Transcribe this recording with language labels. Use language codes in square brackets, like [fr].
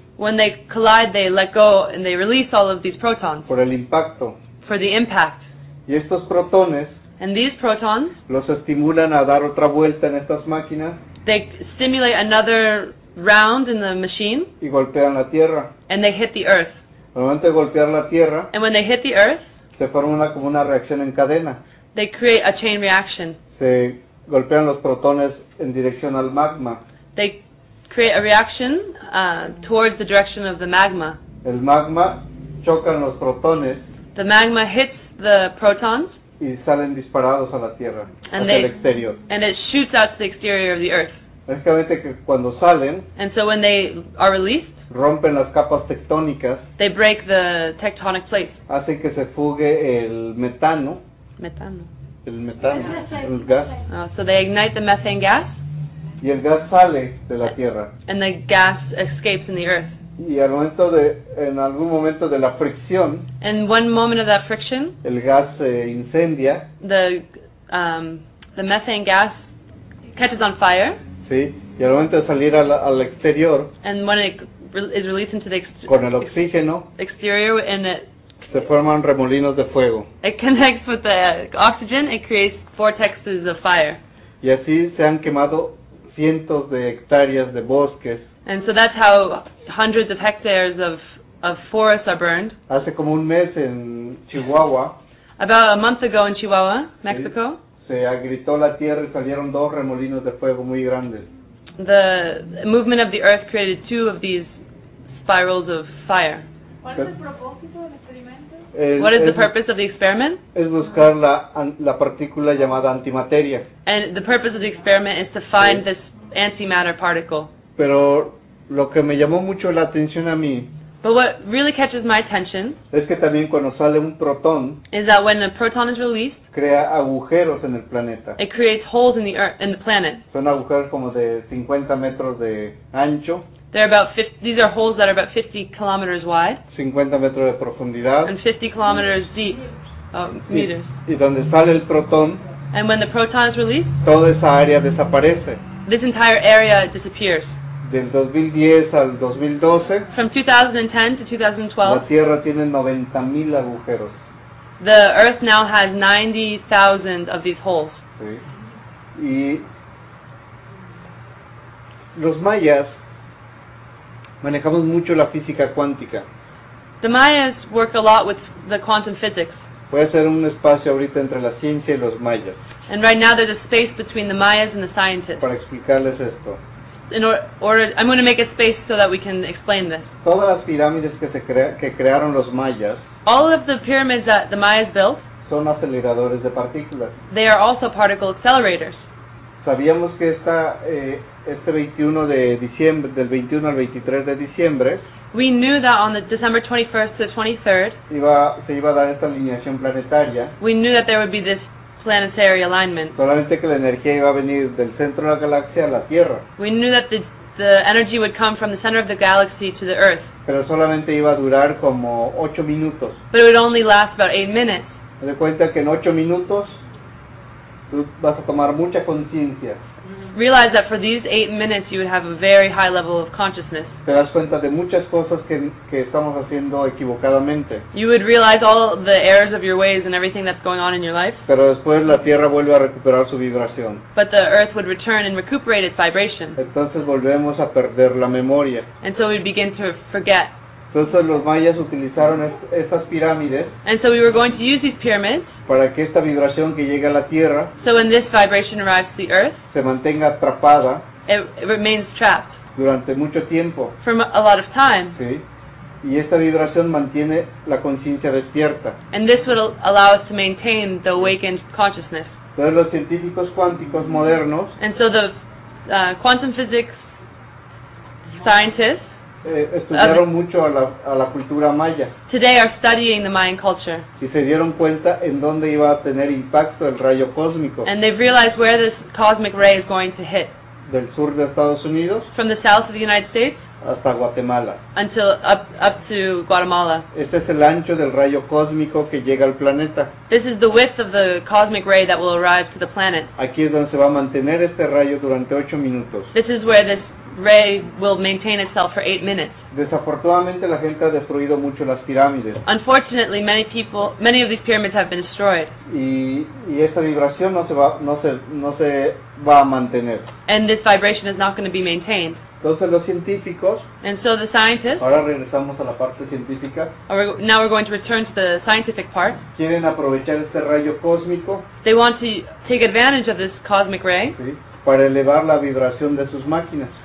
[en] When they collide, they let go and they release all of these protons. [es] Por el impacto. [en] For the impact. [es] Y estos protones. [en] And these protons. [es] Los estimulan a dar otra vuelta en estas máquinas. [en] They stimulate another round in the machine. [es] Y golpean la tierra. [en] And they hit the earth. [es] Al momento de golpear la tierra. [en] And when they hit the earth. [es] Se forma como una reacción en cadena. [en] They create a chain reaction. [es] Se golpean los protones en dirección al magma. [en] They create a reaction towards the direction of the magma. [es] El magma choca en los protones. [en] The magma hits the protons. [es] Y salen disparados a la tierra, hacia el exterior. [en] And it shoots out to the exterior of the earth. [es] Básicamente que cuando salen. [en] And so when they are released. [es] Rompen las capas tectónicas. [en] They break the tectonic plates. [es] Hacen que se fugue el metano. Metano. El metano, el gas. [en] So they ignite the methane gas. [es] Y el gas sale de la tierra. [en] And the gas escapes in the earth. [es] Y al momento en algún momento de la fricción. [en] And one moment of that friction. [es] El gas se incendia. [en] The methane gas catches on fire. [es] Sí. Y al momento de salir al exterior. [en] And when it is released into the [es] con el oxígeno. [en] Exterior and it. [es] Se forman remolinos de fuego. [en] It connects with the oxygen. It creates vortexes of fire. [es] Y así se han quemado cientos de hectáreas de bosques. [en] And so that's how hundreds of hectares of forests are burned. [es] Hace como un mes en Chihuahua. [en] About a month ago in Chihuahua, Mexico. [es] Se agritó la tierra y salieron dos remolinos de fuego muy grandes. [en] The movement of the earth created two of these spirals of fire. What is the purpose of the experiment? [es] Es buscar la partícula llamada antimateria. [en] And the purpose of the experiment is to find this antimatter particle. [es] Pero lo que me llamó mucho la atención a mí. [en] But what really catches my attention. [es] Es que también cuando sale un protón. [en] Is that when a proton is released. [es] Crea agujeros en el planeta. [en] It creates holes in the earth, in the planet. [es] Son agujeros como de 50 metros de ancho. [en] They're about 50, these are holes that are about 50 kilometers wide. [es] 50 metros de profundidad. [en] And 50 kilometers deep. Meters. [es] Y donde sale el proton. [en] And when the proton is released. [es] Toda esa área desaparece. [en] This entire area disappears. [es] Del 2010 al 2012. [en] From 2010 to 2012. [es] La Tierra tiene 90,000 agujeros. [en] The Earth now has 90,000 of these holes. [es] Sí. Y los mayas manejamos mucho la física cuántica. [en] The Mayas work a lot with the quantum physics. [es] Puede ser un espacio ahorita entre la ciencia y los mayas. [en] And right now there's a space between the Mayas and the scientists. [es] Para explicarles esto. [en] I'm going to make a space so that we can explain this. [es] Todas las pirámides que crearon los mayas. [en] All of the pyramids that the Mayas built. [es] Son aceleradores de partículas. [en] They are also particle accelerators. [es] Sabíamos que este 21 de diciembre, del 21 al 23 de diciembre. [en] We knew that on the December 21st to the 23rd. [es] Se iba a dar esta alineación planetaria. [en] We knew that there would be this planetary alignment. [es] Solamente que la energía iba a venir del centro de la galaxia a la Tierra. [en] We knew that the energy would come from the center of the galaxy to the Earth. [es] Pero solamente iba a durar como 8 minutos. [en] But it would only last about 8 minutes. [es] De cuenta que en 8 minutos tú vas a tomar mucha conciencia. [en] Realize that for these 8 minutes you would have a very high level of consciousness. [es] Te das cuenta de muchas cosas que estamos haciendo equivocadamente. [en] You would realize all the errors of your ways and everything that's going on in your life. [es] Pero después la Tierra vuelve a recuperar su vibración. [en] But the Earth would return and recuperate its vibration. [es] Entonces volvemos a perder la memoria. [en] And so we'd begin to forget. [es] Entonces los mayas utilizaron estas pirámides. [en] And so we were going to use these pyramids. [es] Para que esta vibración que llega a la Tierra. [en] So when this vibration arrives to the Earth. [es] Se mantenga atrapada. [en] It remains trapped. [es] Durante mucho tiempo. [en] For a lot of time. [es] Sí. Y esta vibración mantiene la conciencia despierta. [en] And this would allow us to maintain the awakened consciousness. [es] Entonces los científicos cuánticos modernos. [en] And so the quantum physics scientists. [es] Estudiaron mucho a la cultura maya. [en] Today are studying the Mayan culture. [es] Y se dieron cuenta en dónde iba a tener impacto el rayo cósmico. [en] And they've realized where this cosmic ray is going to hit. [es] Del sur de Estados Unidos. [en] From the south of the United States. [es] Hasta Guatemala. [en] Until up to Guatemala. [es] Este es el ancho del rayo cósmico que llega al planeta. [en] This is the width of the cosmic ray that will arrive to the planet. [es] Aquí es donde se va a mantener este rayo durante 8 minutos. [en] This is where this ray will maintain itself for 8 minutes. [es] Desafortunadamente, la gente ha destruido mucho las pirámides. [en] Unfortunately, many of these pyramids have been destroyed. [es] Y esta vibración no se va a mantener. [en] And this vibration is not going to be maintained. [es] Entonces los científicos. [en] And so the scientists. [es] Ahora regresamos a la parte científica. [en] Now we're going to return to the scientific part. [es] Quieren aprovechar este rayo cósmico. [en] They want to take advantage of this cosmic ray. [es] Sí, para elevar la vibración de sus máquinas.